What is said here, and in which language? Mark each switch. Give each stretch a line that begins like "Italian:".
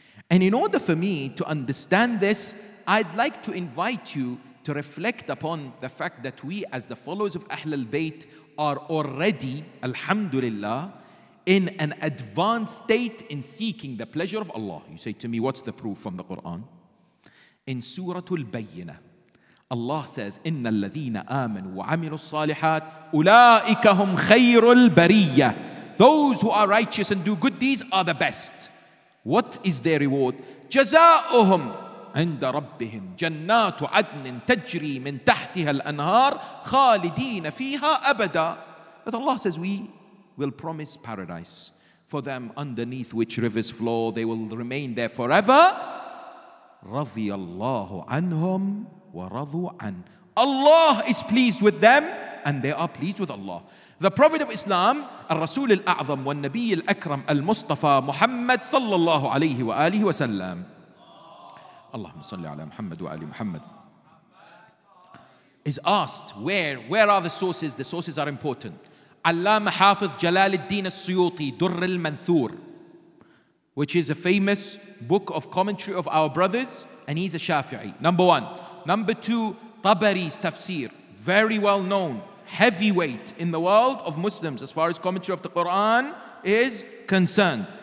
English: And in order for me to understand this, I'd like to invite you to reflect upon the fact that we, as the followers of Ahlul Bayt, are already, alhamdulillah, in an advanced state in seeking the pleasure of Allah. You say to me, what's the proof from the Quran? In Surah Al-Bayyinah, Allah says,
Arabic: إِنَّ الَّذِينَ آمَنُوا وَعَمِلُوا الصَّالِحَاتِ أُولَٰئِكَ هُمْ خَيْرُ الْبَرِيَّةِ.
English: Those who are righteous and do good deeds are the best. What is their reward?
Arabic: جَزَاؤُهُمْ عِنْدَ رَبِّهِمْ جَنَّاتُ عَدْنٍ تَجْرِي مِنْ تَحْتِهَا الْأَنْهَارِ خَالِدِينَ فِيهَا أَبَدًا.
English: But Allah says, we will promise paradise for them underneath which rivers flow. They will remain there forever.
Arabic: رَضِيَ اللَّهُ عَنْهُمْ وَرَضُوا عَنْ.
English: Allah is pleased with them, and they are pleased with Allah. The Prophet of Islam,
Arabic: الرسول الأعظم والنبي الأكرم المصطفى محمد صلى الله عليه وآله وسلم. اللهم صل على محمد وآل محمد.
English: Is asked, where are the sources? The sources are important. Allama Hafiz Jalal al-Din al-Suyuti, Durr al-Manthur, which is a famous book of commentary of our brothers, and he's a Shafi'i, number one. Number two, Tabari's Tafsir, very well known, heavyweight in the world of Muslims as far as commentary of the Quran is concerned.